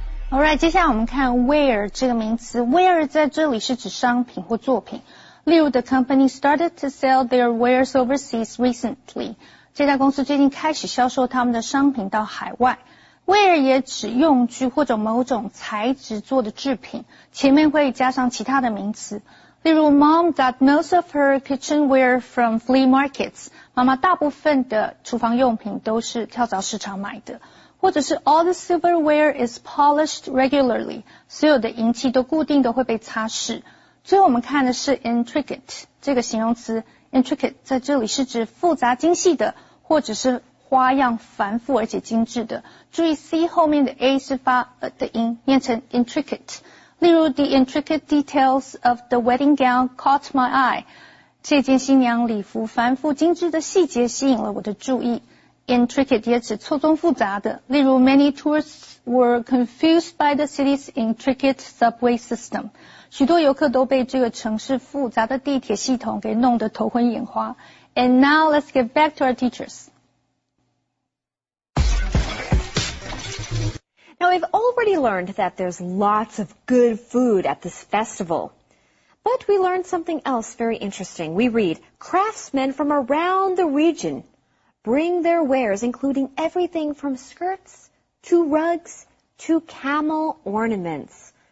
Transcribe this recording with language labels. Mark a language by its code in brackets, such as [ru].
[en] All right, [zh] 接下来我们看 where 这个名词。Where 在这里是指商品或作品。例如 [en] the company started to sell their wares overseas recently. [zh] 这家公司最近开始销售他们的商品到海外。 Ware 也指用具或者某种材质做的制品，前面会加上其他的名词。例如 [en] Mom got most of her kitchenware from flea markets. [zh] 妈妈大部分的厨房用品都是跳蚤市场买的。或者是 [en] All the silverware is polished regularly. [zh] 所有的银器都固定的会被擦拭。最后我们看的是 intricate 这个形容词 intricate 在这里是指复杂精细的或者是花样繁复而且精致的注意 C 后面的 A 是发的音念成 intricate 例如 [en] the intricate details of the wedding gown caught my eye [zh] 这件新娘礼服繁复精致的细节吸引了我的注意 [en] intricate [zh] 也指错综复杂的。例如 [en] ，many tourists were confused by the city's intricate subway system。 [zh] 许多游客都被这个城市复杂的地铁系统给弄得头昏眼花。 [en] And now let's get back to our teachers. Now we've already learned that there's lots of good food at this festival. But we learned something else very interesting. We read, craftsmen from around the region bring their wares, including everything from skirts to rugs to camel ornaments.